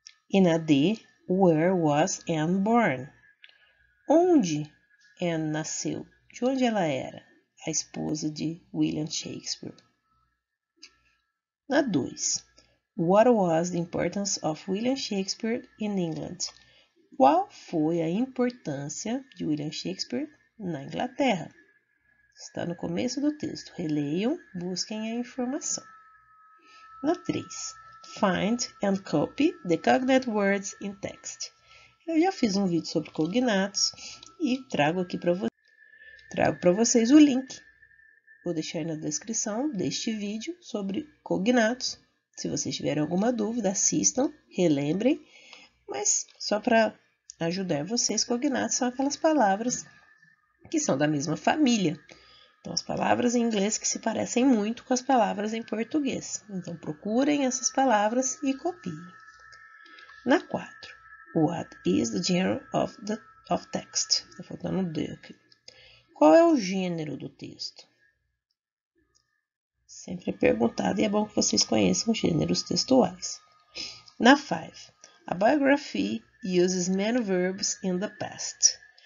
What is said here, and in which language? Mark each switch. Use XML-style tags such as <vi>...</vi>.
<pt>E na D,</pt> <en>where was Anne born?</en> <pt>Onde Anne nasceu? De onde ela era? A esposa de William Shakespeare. Na 2,</pt> <en>what was the importance of William Shakespeare in England?</en> <pt>Qual foi a importância de William Shakespeare na Inglaterra? Está no começo do texto. Releiam, busquem a informação. Na 3,</pt> <en>find and copy the cognate words in text.</en> <pt>Eu já fiz um vídeo sobre cognatos e trago aqui para vocês. Trago para vocês o link. Vou deixar na descrição deste vídeo sobre cognatos. Se vocês tiverem alguma dúvida, assistam, relembrem. Mas só para ajudar vocês, cognatos são aquelas palavras que são da mesma família. Então, as palavras em inglês que se parecem muito com as palavras em português. Então, procurem essas palavras e copiem. Na 4,</pt> <en>what is the genre of text?</en> <pt>Está faltando D aqui. Qual é o gênero do texto? Sempre é perguntado e é bom que vocês conheçam gêneros textuais. Na 5,</pt> <en>a biography uses many verbs in the past.</en>